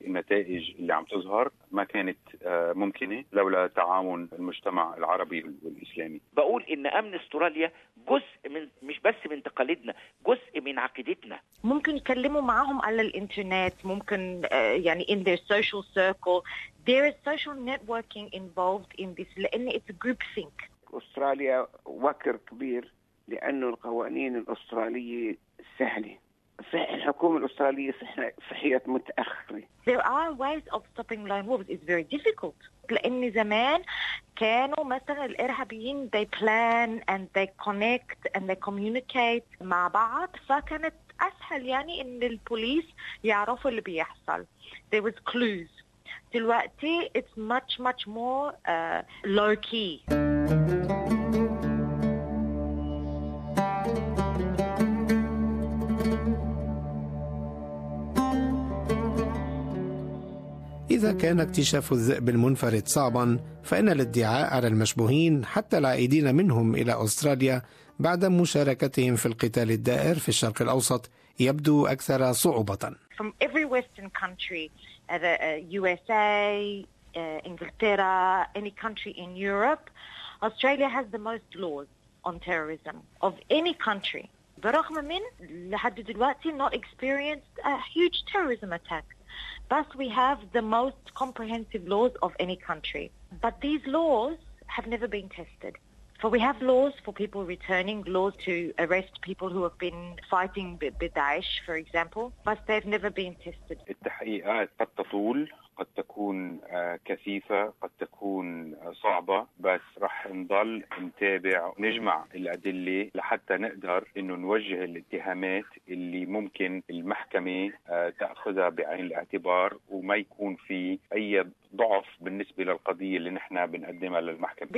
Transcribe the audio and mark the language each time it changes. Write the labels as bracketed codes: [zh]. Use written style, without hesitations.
[ar] النتائج اللي عم تظهر ما كانت ممكنة لولا تعاون المجتمع العربي والإسلامي. بقول إن أمن أستراليا جزء من، مش بس من تقاليدنا، جزء من عقيدتنا. ممكن يكلموا معهم على الإنترنت، ممكن يعني [en] in their social circle. There is social networking involved in this, [ar] لأن [en] it's groupthink. [ar] أستراليا وكر كبير لأن القوانين الأسترالية سهلة. صحيح الحكومة الأسترالية صحية متأخرة. [en] There are ways of stopping lone wolves. It's very difficult. [ar] لأن زمان كانوا مثلا الإرهابيين [en] they plan and they connect and they communicate [ar] مع بعض، فكانت أسهل يعني إن البوليس يعرفوا اللي بيحصل. [en] There was clues. [ar] دلوقتي [en] it's much much more low key. [ar] إذا كان اكتشاف الذئب المنفرد صعبا، فإن الادعاء على المشبوهين حتى العائدين منهم إلى أستراليا بعد مشاركتهم في القتال الدائر في الشرق الأوسط يبدو أكثر صعوبة. [en] From every Western country, the USA, إنجلترا, any country in Europe, Australia has the most laws on terrorism of any country. [ar] برغم من لحد دلوقتي [en] not experienced a huge terrorism attack. Thus, we have the most comprehensive laws of any country. But these laws have never been tested. For we have laws for people returning, laws to arrest people who have been fighting Daesh, for example. But they've never been tested. [ar] التحقيقات قد تطول، قد تكون كثيفة، قد تكون صعبة، بس رح نضل نتابع ونجمع الأدلة لحتى نقدر إنه نوجه الاتهامات اللي ممكن المحكمة تأخذها بعين الاعتبار وما يكون في أي ضعف بالنسبة للقضية اللي نحنا بنقدمها للمحكمة.